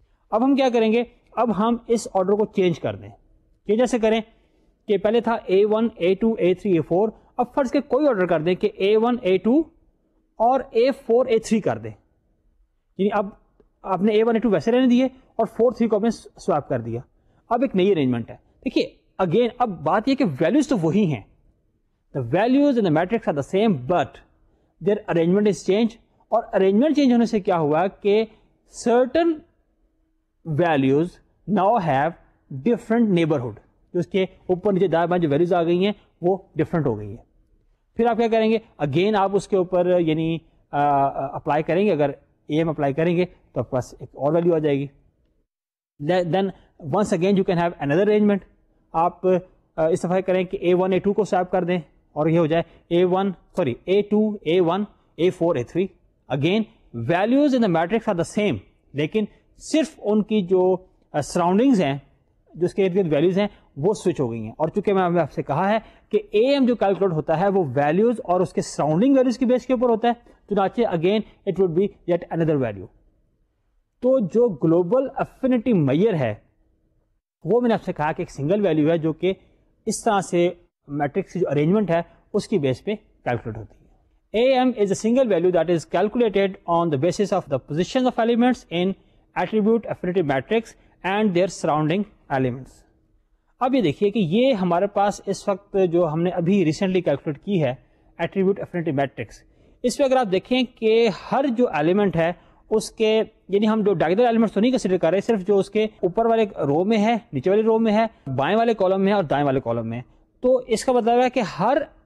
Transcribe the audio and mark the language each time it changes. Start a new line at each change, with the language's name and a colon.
Urdu: اب ہم کیا کریں گے, اب ہم اس آرڈر کو چینج کر دیں. چینج ایسے کریں کہ پہلے تھا A1, A2, A3, A4 اب فرض کے کوئی آرڈر کر دیں کہ A1, A2 اور A4, A3 کر دیں. یعنی اب آپ نے A1, A2 ویسے رہنے دیے اور 4, 3 کو آپ نے سواپ کر دیا, اب ایک نئی ارینجمنٹ ہے. دیکھیے اگین اب بات یہ کہ ویلیوز تو وہی ہیں,
English: The values in the matrix are the same but their arrangement is change.
Urdu: اور ارینجمنٹ چینج ہونے سے کیا ہوا کہ
English: certain values now have different neighbourhood,
Urdu: جو اس کے اوپر نیچے دائیں بائیں جو ویلیوز آ گئی ہیں وہ ڈفرنٹ ہو گئی ہیں. پھر آپ کیا کریں گے اگین آپ اس کے اوپر یعنی اپلائی کریں گے, اگر اے ایم اپلائی کریں گے تو آپ کے پاس ایک اور ویلیو آ جائے گی.
English: then once again you can have another arrangement,
Urdu: آپ اس دفعہ کریں کہ A1, A2 کو سوائپ کر دیں اور یہ ہو جائے A2, A1, A4, A3
English: again values in the matrix are the same,
Urdu: لیکن صرف ان کی جو سراؤنڈنگز ہیں جو اس کے ارد گرد ویلیوز ہیں وہ سوئچ ہو گئی ہیں. اور چونکہ میں نے آپ سے کہا ہے کہ اے ایم جو کیلکولیٹ ہوتا ہے وہ ویلیوز اور اس کے سراؤنڈنگ ویلیوز کے بیس کے اوپر ہوتا ہے, چنانچہ again
English: It would be yet another value.
Urdu: تو جو گلوبل افینٹی میئر ہے وہ میں نے آپ سے کہا کہ ایک سنگل ویلیو ہے جو کہ اس طرح سے میٹرکس کی جو ارینجمنٹ ہے اس کی بیس پہ کیلکولیٹ ہوتی ہے.
English: A M is a single value that is calculated on the basis of the position of elements in attribute affinity matrix and their surrounding elements.
Urdu: اب یہ دیکھیے کہ یہ ہمارے پاس اس وقت جو ہم نے ابھی ریسنٹلی کیلکولیٹ کی ہے ایٹریبیوٹ افینٹی میٹرکس, اس پہ اگر آپ دیکھیں کہ ہر جو ایلیمنٹ ہے اس کے یعنی ہم جو ڈائگنل ایلیمنٹس تو نہیں کنسیڈر کر رہے, صرف جو اس کے اوپر والے رو میں ہے, نیچے والے رو میں ہے, بائیں والے کالم میں ہے اور دائیں والے کالم میں, تو اس کا مطلب ہے کہ ہر